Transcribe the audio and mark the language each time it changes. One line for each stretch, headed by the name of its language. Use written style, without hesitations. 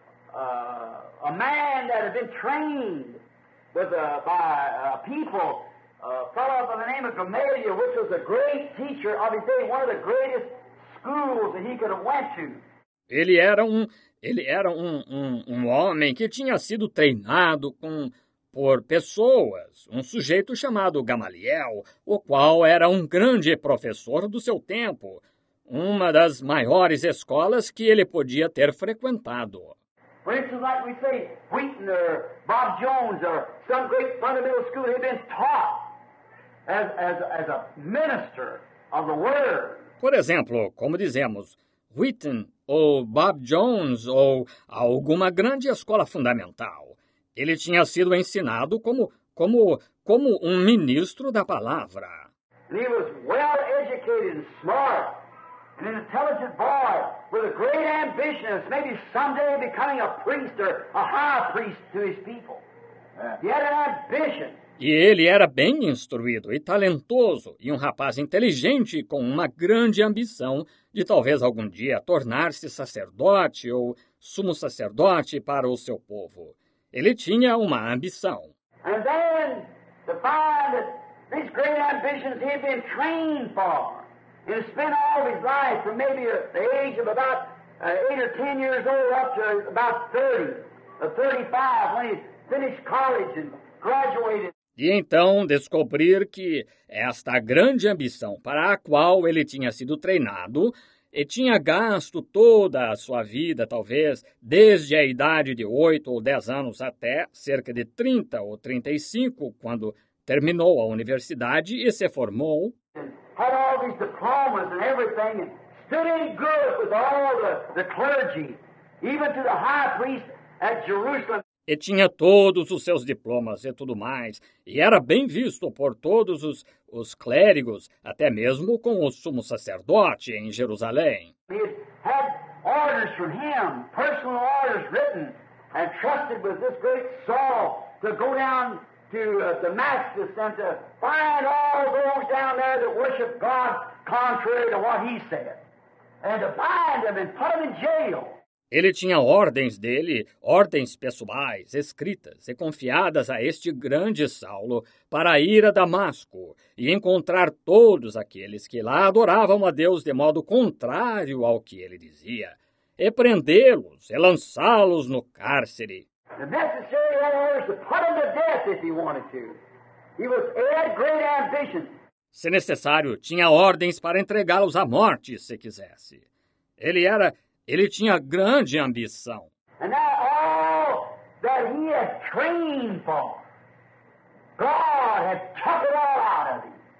English: He was a man that had been trained by a people, a fellow by the name of Gamaliel, which was a great teacher of his day, one of the greatest schools that he could have went to.
Portuguese: Ele era um homem que tinha sido treinado por pessoas, um sujeito chamado Gamaliel, o qual era um grande professor do seu tempo, uma das maiores escolas que ele podia ter frequentado.
English: For instance, like we say, Wheaton or Bob Jones or some great fundamental school, they've been taught as a minister of the Word.
Portuguese: Por exemplo, como dizemos, Wheaton ou Bob Jones ou alguma grande escola fundamental. Ele tinha sido ensinado como um ministro da palavra.
English: And he was well educated and smart. An intelligent boy with a great ambition of maybe someday becoming a priest or a high priest to his people. He had an ambition.
Portuguese: E ele era bem instruído e talentoso, e um rapaz inteligente com uma grande ambição de talvez algum dia tornar-se sacerdote ou sumo sacerdote para o seu povo. Ele tinha uma ambição.
English: And then to find that these great ambitions he had been trained for. He spent all of his life from maybe the age of about 8 or 10 years old up to about 30 or 35 when he finished college and graduated.
Portuguese: E então descobrir que esta grande ambição para a qual ele tinha sido treinado e tinha gasto toda a sua vida, talvez, desde a idade de 8 ou 10 anos até cerca de 30 ou 35, quando terminou a universidade e se formou.
English: Had all these diplomas and everything, and stood in good with all the clergy, even to the high priest at Jerusalem.
Portuguese: E tinha todos os seus diplomas e tudo mais, e era bem visto por todos os clérigos, até mesmo com o sumo sacerdote em Jerusalém.
English: He had orders from him, personal orders written, and trusted with this great Saul to go down to Damascus and to find all those down there that worship God contrary to what he said, and to bind them and put them in jail.
Portuguese: Ele tinha ordens dele, ordens pessoais, escritas e confiadas a este grande Saulo para ir a Damasco e encontrar todos aqueles que lá adoravam a Deus de modo contrário ao que ele dizia, e prendê-los e lançá-los no cárcere.
English: The necessary orders to put them to death if he wanted to. He was had great ambition.
Portuguese: Se necessário, tinha ordens para entregá-los à morte, se quisesse. Ele tinha grande ambição.
English: And now all that he had trained for, God had chucked it all out of him.